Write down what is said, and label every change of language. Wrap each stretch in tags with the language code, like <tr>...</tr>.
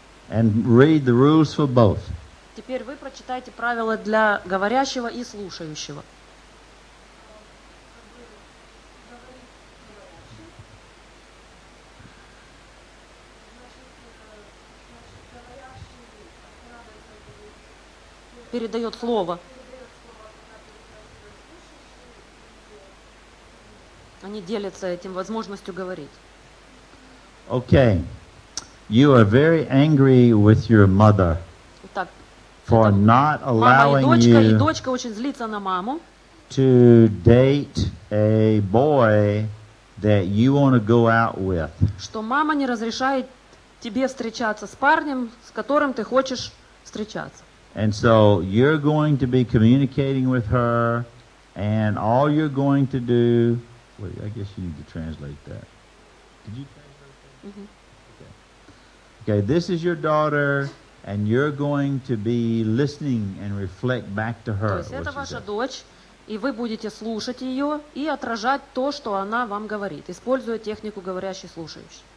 <en>And read the rules for both.</en> <ru>Теперь вы прочитайте правила для говорящего и слушающего. Передает слово. Они делятся этим возможностью говорить.</ru> <en>Okay. You are very angry with your mother.</en> <ru>Так.</ru> <en>For not allowing you.</en> <ru>Мама и дочка, очень злится на маму.</ru> <en>To date a boy that you want to go out with.</en> <ru>Что мама не разрешает тебе встречаться с парнем, с которым ты хочешь встречаться.</ru> <en>And so you're going to be communicating with her, and all you're going to do. Wait, I guess you need to translate that. Did you translate that? Mm-hmm. Okay. Okay, this is your daughter, and you're going to be listening and reflect back to her.</en> <ru>То есть это ваша дочь, и вы будете слушать ее и отражать то, что она вам говорит, используя технику говорящий-слушающий.</ru>